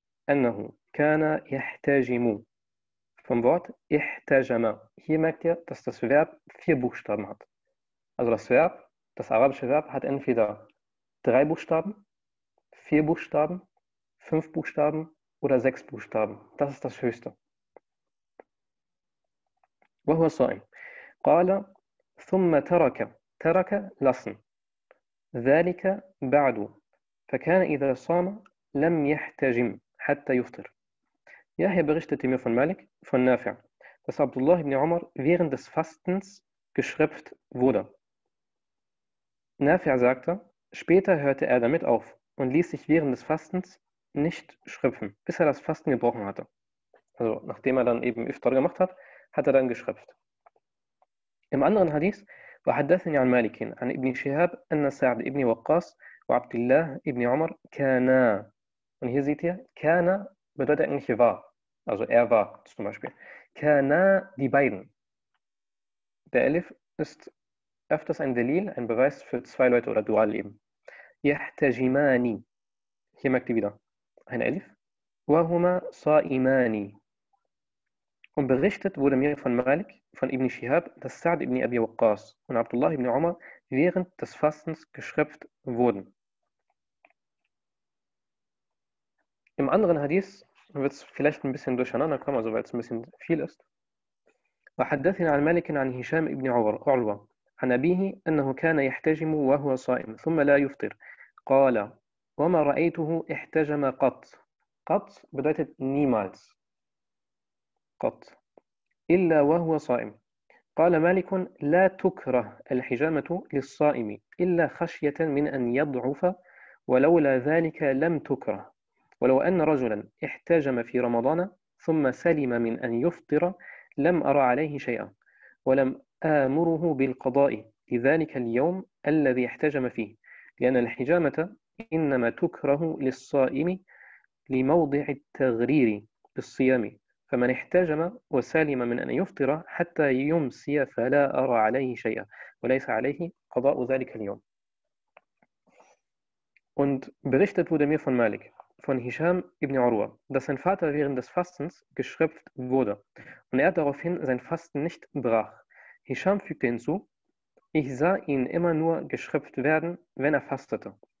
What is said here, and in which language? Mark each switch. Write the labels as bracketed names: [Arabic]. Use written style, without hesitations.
[Arabic] أنه كان يحتاجم [German] vom Wort [Arabic] احتاجم. [German] Hier merkt ihr, dass das Verb vier Buchstaben hat. Also das Verb, das arabische Verb, hat entweder drei Buchstaben, vier Buchstaben, fünf Buchstaben oder sechs Buchstaben. Das ist das Höchste. [Arabic] وهو صائم. قال ثم ترك. ترك [German] lassen. [Arabic] ذلك بعد. فكان إذا صام لم يحتاجم. Hatta yuftir. [German] Yahya berichtete mir von Malik, von Nafi', dass Abdullah ibn Umar während des Fastens geschröpft wurde. Nafi' sagte, später hörte er damit auf und ließ sich während des Fastens nicht schröpfen, bis er das Fasten gebrochen hatte. Also nachdem er dann eben Iftar gemacht hat, hat er dann geschröpft. Im anderen Hadith, [Arabic] وحدثني عن مالك عن ابن شهاب أن سعد ابن وقاص وعبد الله ابن عمر كانا. [German] Und hier seht ihr, kana bedeutet eigentlich war. Also er war zum Beispiel. Kana, die beiden. Der Elif ist öfters ein Delil, ein Beweis für zwei Leute oder Dualleben. Yahtajimani. Hier merkt ihr wieder. Ein Elif. [Arabic] Wahuma sa'imani. [German] Und berichtet wurde mir von Malik, von Ibn Shihab, dass Sa'd ibn Abi Waqqas und Abdullah ibn Umar während des Fastens geschröpft wurden. Im anderen Hadith wird es vielleicht ein bisschen durcheinander kommen, also weil es ein bisschen viel ist. [Arabic] وحدثنا عن مالك عن هشام ابن عروة عن أبيه أنه كان يحتجم وهو صائم ثم لا يفطر قال وما رأيته احتجم قط. [German] قط bedeutet niemals. [Arabic] قط إلا وهو صائم. قال مالك لا تكره الحجامة للصائم إلا خشية من أن يضعف ولولا ذلك لم تكره. ولو أن رجلا احتجم في رمضان ثم سلم من أن يفطر لم أرى عليه شيئا ولم آمره بالقضاء لذلك اليوم الذي احتجم فيه لأن الحجامة إنما تكره للصائم لموضع التغرير بالصيام فمن احتجم وسلم من أن يفطر حتى يمسي فلا أرى عليه شيئا وليس عليه قضاء ذلك اليوم. [German] Und berichtet wurde mir von Malik von Hisham ibn Urwa, dass sein Vater während des Fastens geschröpft wurde und er daraufhin sein Fasten nicht brach. Hisham fügte hinzu, ich sah ihn immer nur geschröpft werden, wenn er fastete.